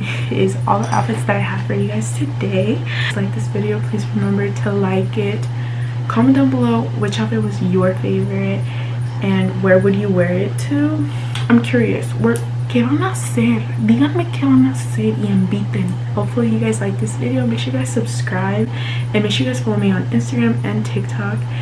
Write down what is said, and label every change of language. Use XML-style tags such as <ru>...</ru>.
<en>Is all the outfits that I have for you guys today. If you like this video, please remember to like it. Comment down below which outfit was your favorite and where would you wear it to. I'm curious,</en> <es>¿qué van a hacer? Díganme qué van a hacer y inviten.</es> <en>Hopefully you guys like this video. Make sure you guys subscribe and make sure you guys follow me on Instagram and TikTok.</en>